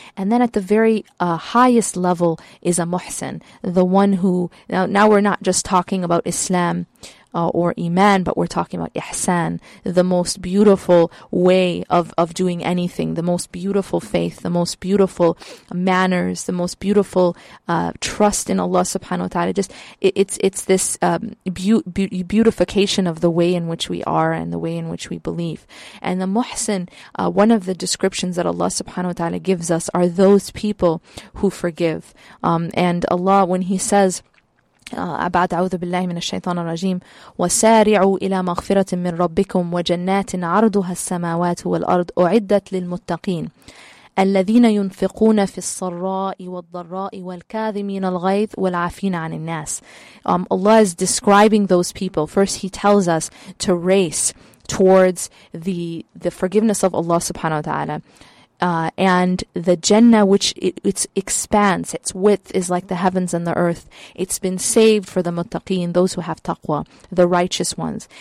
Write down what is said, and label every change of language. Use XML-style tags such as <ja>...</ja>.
<en>And then at the very highest level is a muhsin, the one who, now we're not just talking about Islam or iman, but we're talking about ihsan, the most beautiful way of doing anything, the most beautiful faith, the most beautiful manners, the most beautiful trust in Allah subhanahu wa ta'ala. Just it's this beautification of the way in which we are and the way in which we believe. And the muhsin, one of the descriptions that Allah subhanahu wa ta'ala gives us are those people who forgive. And Allah, when He says,</en> <ar>بعد أعوذ بالله من الشيطان الرجيم وسارعوا إلى مغفرة من ربكم وجنات عرضها السماوات والأرض أعدت للمتقين الذين ينفقون في السراء والضراء والكاذمين الغيظ والعافين عن الناس.</ar> <en>Allah is describing those people. First, He tells us to race towards the forgiveness of Allah subhanahu wa ta'ala. And the Jannah, which its expanse, its width is like the heavens and the earth. It's been saved for the muttaqeen, those who have taqwa, the righteous ones.</en>